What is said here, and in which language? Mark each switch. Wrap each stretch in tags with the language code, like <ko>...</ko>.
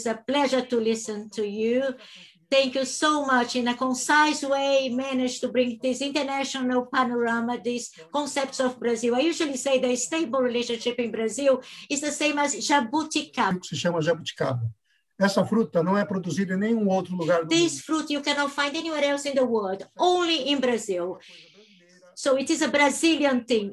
<en>It's a pleasure to listen to you. Thank you so much. In a concise way, managed to bring this international panorama, these concepts of Brazil. I usually say the stable relationship in Brazil is the same as jabuticaba.</en> <pt>Se chama jabuticaba. Essa fruta não é produzida em nenhum outro lugar do mundo.</pt> <en>This fruit you cannot find anywhere else in the world, only in Brazil. So it is a Brazilian thing.</en>